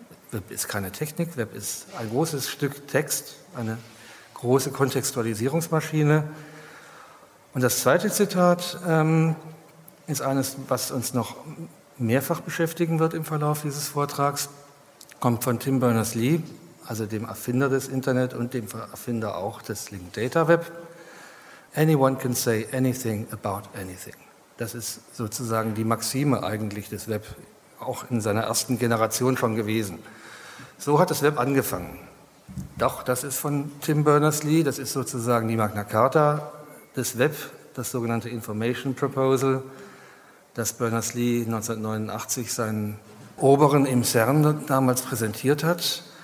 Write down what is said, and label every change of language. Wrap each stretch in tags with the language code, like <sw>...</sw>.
<de>Web ist keine Technik, Web ist ein großes Stück Text, eine große Kontextualisierungsmaschine. Und das zweite Zitat ist eines, was uns noch mehrfach beschäftigen wird im Verlauf dieses Vortrags, kommt von Tim Berners-Lee, also dem Erfinder des Internet und dem Erfinder auch des Linked Data Web.</de> <en>Anyone can say anything about anything.</en> <de>Das ist sozusagen die Maxime eigentlich des Web, auch in seiner ersten Generation schon gewesen. So hat das Web angefangen. Doch, das ist von Tim Berners-Lee, das ist sozusagen die Magna Carta des Web, das sogenannte Information Proposal, das Berners-Lee 1989 seinen Oberen im CERN damals präsentiert hat.</de>